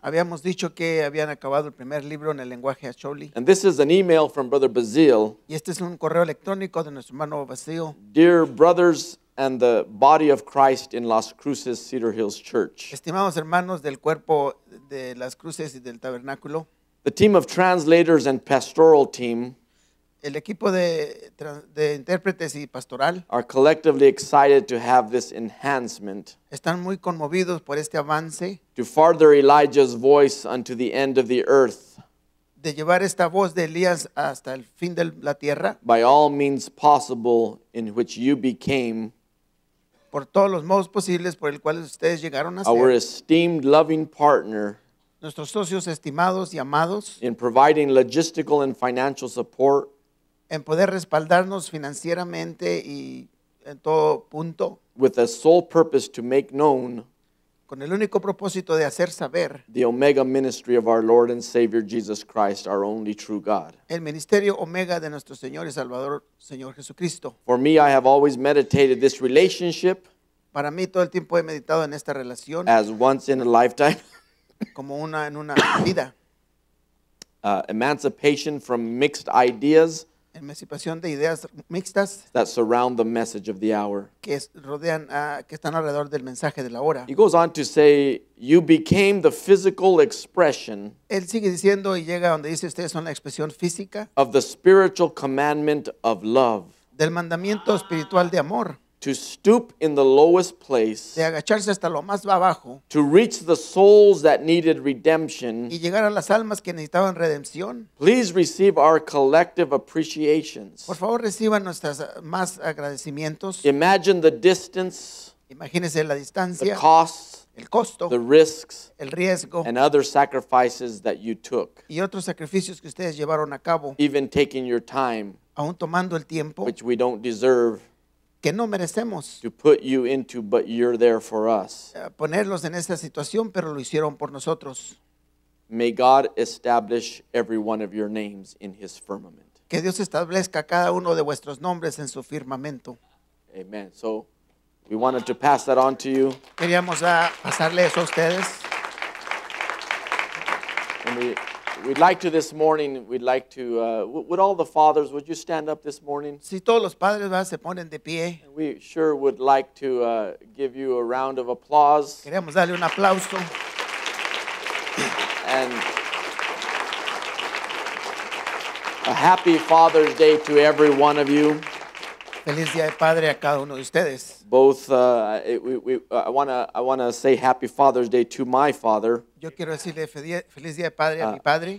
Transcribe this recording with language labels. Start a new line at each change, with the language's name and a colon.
Spanish: Habíamos dicho que habían acabado el primer libro en el lenguaje Acholi.
English: And this is an email from Brother Basil.
Spanish: Y este es un correo electrónico de nuestro hermano Basil.
English: Dear brothers and the body of Christ in Las Cruces Cedar Hills Church.
Spanish: Estimados hermanos del cuerpo de Las Cruces y del Tabernáculo.
English: The team of translators and pastoral team.
Spanish: El equipo de intérpretes y pastoral
English: are collectively excited to have this enhancement.
Spanish: Están muy conmovidos por este avance.
English: To further Elijah's voice unto the end of the earth.
Spanish: De llevar esta voz de Elías hasta el fin de la tierra.
English: By all means possible in which you became.
Spanish: Por todos los modos posibles por el cual ustedes llegaron a ser.
English: Our esteemed loving partner.
Spanish: Nuestros socios estimados y amados.
English: In providing logistical and financial support.
Spanish: En poder respaldarnos financieramente y en todo punto.
English: With a sole purpose to make known.
Spanish: Con el único propósito de hacer saber.
English: The Omega ministry of our Lord and Savior Jesus Christ, our only true God.
Spanish: El ministerio Omega de nuestro Señor y Salvador, Señor Jesucristo.
English: For me, I have always meditated this relationship.
Spanish: Para mí, todo el tiempo he meditado en esta relación.
English: As once in a lifetime.
Spanish: Como una en una vida.
English: Emancipation from mixed ideas.
Spanish: Emancipación de ideas mixtas
English: that surround the message of the hour.
Spanish: Que rodean, que están alrededor del mensaje de la hora.
English: He goes on to say, you became the physical expression.
Spanish: Él sigue diciendo y llega donde dice ustedes son la expresión física.
English: Of the spiritual commandment of love.
Spanish: Del mandamiento espiritual de amor.
English: To stoop in the lowest place.
Spanish: De agacharse hasta lo más abajo.
English: To reach the souls that needed redemption.
Spanish: Y llegar a las almas que necesitaban redención.
English: Please receive our collective appreciations.
Spanish: Por favor, reciban nuestras más agradecimientos.
English: Imagine the distance.
Spanish: Imagínese la distancia.
English: The costs.
Spanish: El costo.
English: The risks.
Spanish: El riesgo.
English: And other sacrifices that you took.
Spanish: Y otros sacrificios que ustedes llevaron a cabo.
English: Even taking your time.
Spanish: Aún tomando el tiempo.
English: Which we don't deserve.
Spanish: Que no merecemos.
English: To put you into, but you're there for us.
Spanish: Ponerlos en esta situación, pero lo hicieron por nosotros.
English: May God establish every one of your names in His firmament.
Spanish: Que Dios establezca cada uno de vuestros nombres en su firmamento.
English: Amen. So, we wanted to pass that on to you.
Spanish: Queríamos pasarle eso a ustedes.
English: And we'd like to this morning, we'd like to, would all the fathers, would you stand up this morning?
Spanish: Si todos los padres van, se ponen de pie.
English: We sure would like to give you a round of applause.
Spanish: Queremos darle un aplauso.
English: And a happy Father's Day to every one of you.
Spanish: Feliz día de padre a cada uno de ustedes.
English: Both, I want to say Happy Father's Day to my father.
Spanish: Yo quiero decirle feliz día de padre a mi padre.